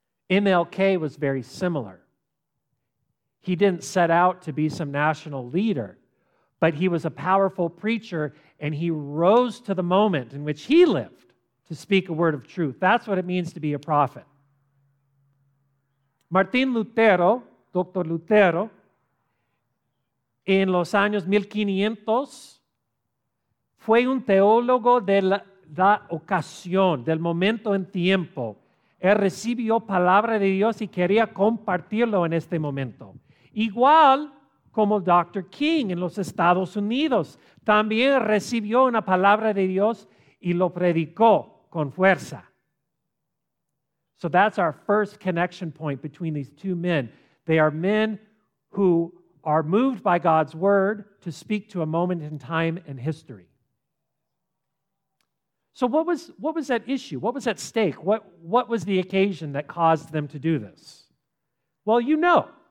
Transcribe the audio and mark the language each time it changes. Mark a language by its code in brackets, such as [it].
[en] MLK was very similar. He didn't set out to be some national leader, but he was a powerful preacher, and he rose to the moment in which he lived to speak a word of truth. That's what it means to be a prophet. [es] Martin Lutero, Dr. Lutero, en los años 1500, fue un teólogo de la ocasión, del momento en tiempo. Él recibió palabra de Dios y quería compartirlo en este momento. Igual como Dr. King en los Estados Unidos, también recibió una palabra de Dios y lo predicó con fuerza. [en] So that's our first connection point between these two men. They are men who are moved by God's word to speak to a moment in time and history. So what was that issue? What was at stake? What was the occasion that caused them to do this? Well, you know.